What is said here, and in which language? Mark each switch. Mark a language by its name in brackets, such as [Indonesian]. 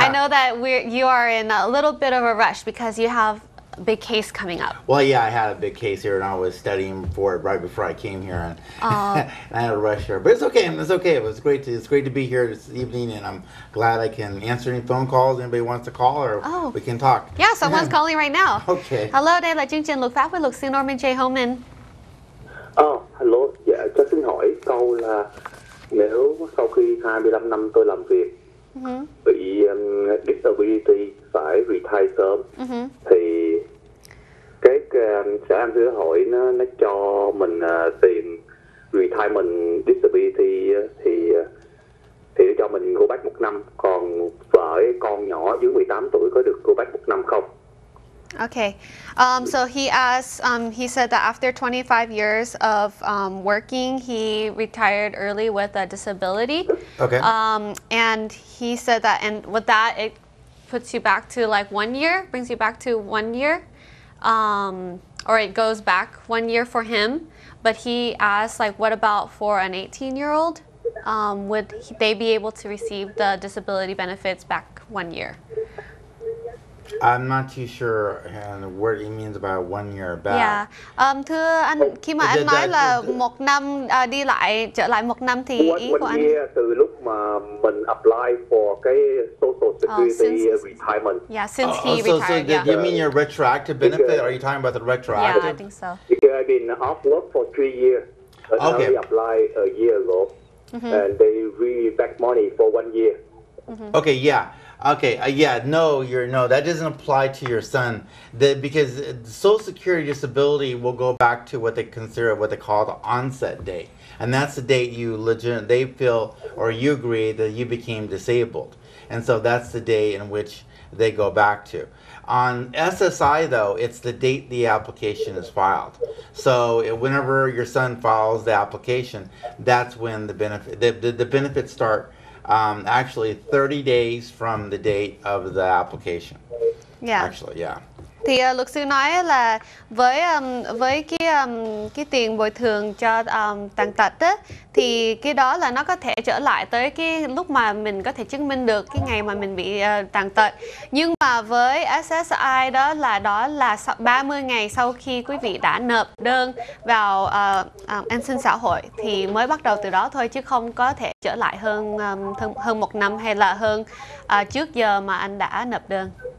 [English] I know that you are in a little bit of a rush because you have a big case coming up. Well, yeah, I had a big case here and I was studying for it right before I came here, and I had a rush here, but it's okay. It's great to be here this evening, and I'm glad I can answer any phone calls anybody wants to call, or we can talk. Yeah, someone's calling right now. Okay. [Vietnamese] Hello, đây là chương trình Luật Pháp với luật sư Norman J. Homen. [English] Oh, hello. [Vietnamese] Yeah, cho xin hỏi câu là nếu sau khi 25 năm tôi làm việc bị disability phải retire sớm, thì cái sở an sinh xã hội nó cho mình tiền retirement disability, thì cho mình go back 1 năm, còn vợ con nhỏ dưới 18 tuổi có được go back 1 năm không? [English] Okay, so he asked, he said that after 25 years of working, he retired early with a disability. Okay. And he said that, and with that, it puts you back to like 1 year, brings you back to 1 year, or it goes back 1 year for him. But he asked, like, what about for an 18-year-old? Would they be able to receive the disability benefits back 1 year? I'm not too sure what he means by 1 year back. Yeah. [Vietnamese] Thưa anh, khi mà anh nói là một năm đi lại, trở lại một năm, thì ý của anh... 1 year từ lúc mà mình [English] apply for [Vietnamese] cái Social Security retirement. [English] Yeah, since he retired. So yeah. Do you mean your retroactive benefit? Because, are you talking about the retroactive? Yeah, I think so. Because I've been off work for 3 years. Okay. And I apply a year ago. Mm-hmm. And they really back money for 1 year. Mm-hmm. Okay, yeah. Okay, no, that doesn't apply to your son, because Social Security disability will go back to what they consider, what they call the onset date, and that's the date you agree that you became disabled, and so that's the day in which they go back to. On SSI, though, it's the date the application is filed. So whenever your son files the application, that's when the benefits start. Actually 30 days from the date of the application. Yeah. Actually, yeah. [Vietnamese] Thì luật sư nói là với cái tiền bồi thường cho tàn tật á, thì cái đó là nó có thể trở lại tới cái lúc mà mình có thể chứng minh được cái ngày mà mình bị tàn tật. Nhưng mà với SSI đó là 30 ngày sau khi quý vị đã nộp đơn vào an sinh xã hội thì mới bắt đầu từ đó thôi, chứ không có thể trở lại hơn 1 năm hay là hơn trước giờ mà anh đã nộp đơn.